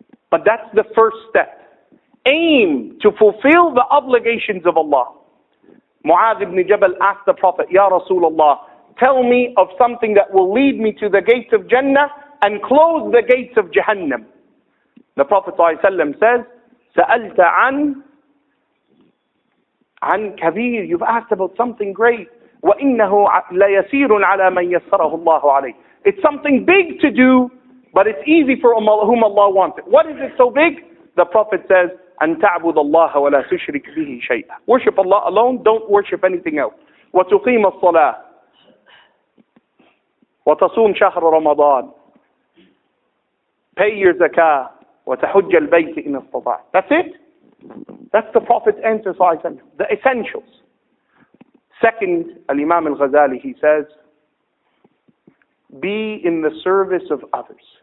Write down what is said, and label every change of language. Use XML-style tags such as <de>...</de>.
<en>But that's the first step. Aim to fulfill the obligations of Allah. Mu'adh ibn Jabal asked the Prophet, Ya Rasulullah, tell me of something that will lead me to the gates of Jannah and close the gates of Jahannam. The Prophet ﷺ says,</en> <ar>سَأَلْتَ عَنْ كَبِيرٌ.</ar> <en>You've asked about something great.</en> <ar>وَإِنَّهُ لَيَسِيرٌ عَلَى مَنْ يَسَّرَهُ اللَّهُ عَلَيْهِ.</ar> <en>It's something big to do, but it's easy for whom Allah wants it. What is it so big? The Prophet says, أَنْ تَعْبُدَ اللَّهَ وَلَا تُشْرِكْ بِهِ شَيْئًا. Worship Allah alone, don't worship anything else.</en> <ar>وَتُقِيمَ الصَّلَاةِ وَتَصُومْ شَهْرَ رَمَضَانِ.</ar> <en>Pay your zakah.</en> <ar>وَتَحُجَّ الْبَيْتِ إِنَ اسْتَطَعْتَ.</ar> <en>That's it. That's the Prophet's answer, the essentials. Second, Al-Imam Al-Ghazali, he says, be in the service of others.</en>